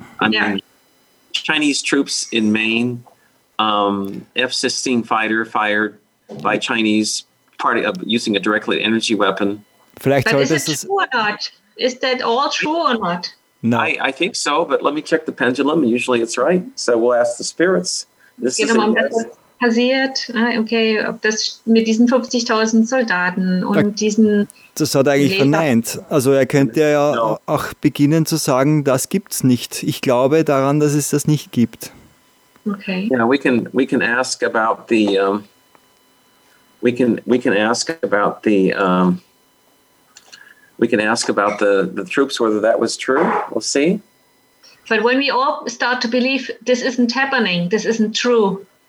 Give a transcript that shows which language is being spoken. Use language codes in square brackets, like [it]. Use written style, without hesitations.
[en] I mean, Chinese troops in Maine, F-16 fighter fired by Chinese party using a directed energy weapon. But is it true or not? Is that all true or not? No. I think so, but let me check the pendulum. Usually it's right. So we'll ask the spirits. This is it. [de] Passiert, okay, ob das mit diesen 50.000 Soldaten und diesen... Das hat er eigentlich verneint. Also er könnte ja auch beginnen zu sagen, das gibt's nicht. Ich glaube daran, dass es das nicht gibt. Okay. [en] Yeah, we can ask about the we can ask about the troops, whether that was true. We'll see. But when we all start to believe this isn't happening, this isn't true,